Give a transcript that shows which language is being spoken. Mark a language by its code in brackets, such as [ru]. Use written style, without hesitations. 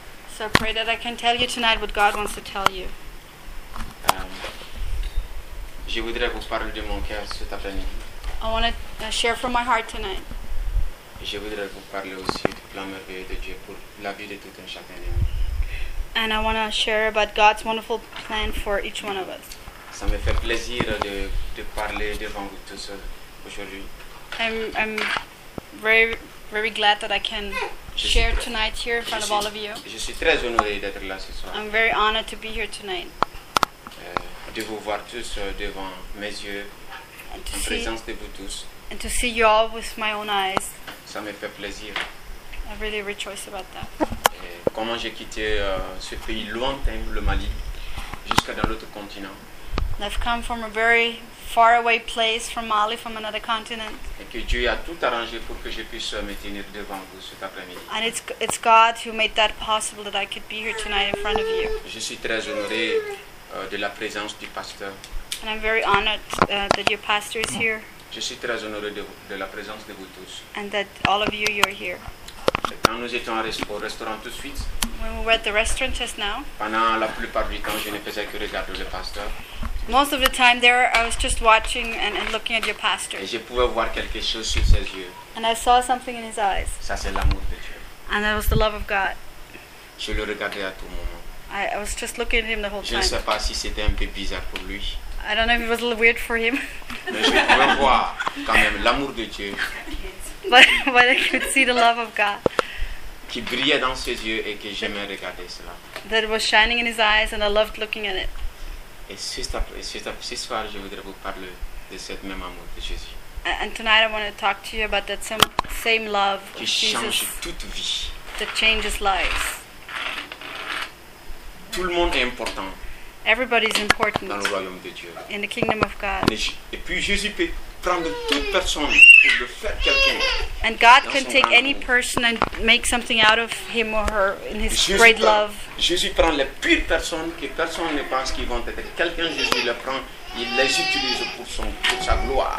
[en] So pray that I can tell you tonight what God wants to tell you. [fr] Je voudrais vous parler de mon cœur cet après-midi. [en] I want to share from my heart tonight. [fr] Je voudrais vous parler aussi du plan merveilleux de Dieu pour la vie de tout un chacun de nous. [en] And I want to share about God's wonderful plan for each one of us. [fr] Ça me fait plaisir de parler devant vous tous aujourd'hui. [en] I'm very, very glad that I can share tonight here in front of all of you. [fr] Je suis très honoré d'être là ce soir. [en] I'm very honored to be here tonight. [fr] De vous voir tous devant mes yeux, en présence de vous tous. [en] And to see you all with my own eyes. [fr] Ça me fait plaisir. [en] I really rejoice about that. [fr] Comment j'ai quitté ce pays lointain, le Mali, jusqu'à dans l'autre continent. [en] I've come from a very far away place, from Mali, from another continent. [fr] Et que Dieu a tout arrangé pour que je puisse me tenir devant vous cet après-midi. [en] And it's God who made that possible that I could be here tonight in front of you. [fr] Je suis très honoré de la présence du pasteur. [en] And I'm very honored that your pastor is here. [fr] Je suis très honoré de la présence de vous tous. [en] And that all of you, you're here. [fr] Quand nous étions au restaurant tout de suite, [en] when we were at the restaurant just now, [fr] pendant la plupart du temps, je ne faisais que regarder le pasteur. [en] Most of the time there, I was just watching and looking at your pastor. [fr] Et je pouvais voir quelque chose sur ses yeux. [en] And I saw something in his eyes. [fr] Ça, c'est l'amour de Dieu. [en] And that was the love of God. [fr] Je le regardais à tout moment. [en] I was just looking at him the whole [fr] time. Je ne sais pas si c'était un peu bizarre pour lui. [en] I don't know if it was a little weird for him. [fr] Mais je pouvais voir quand même l'amour de Dieu. [en] But I could see the love of God. [fr] Qui brillait dans ses yeux et que j'aimais regarder cela. [en] That was shining in his eyes and I loved looking at it. [fr] Et ce soir, je voudrais vous parler de cette même amour de Jésus. [en] And tonight I want to talk to you about that same love [fr] qui [en] of Jesus. [fr] Qui change toute vie. [en] That changes lives. [fr] Tout le monde est important. [en] Everybody is important. [fr] Dans le royaume de Dieu. [en] In the kingdom of God. [fr] Et puis Jésus peut prendre toute personne pour le faire quelqu'un. [en] And God can take any person and make something out of him or her in his great love. [fr] Jésus prend les pires personnes que personne ne pense qu'ils vont être quelqu'un. Jésus les prend, il les utilise pour sa gloire.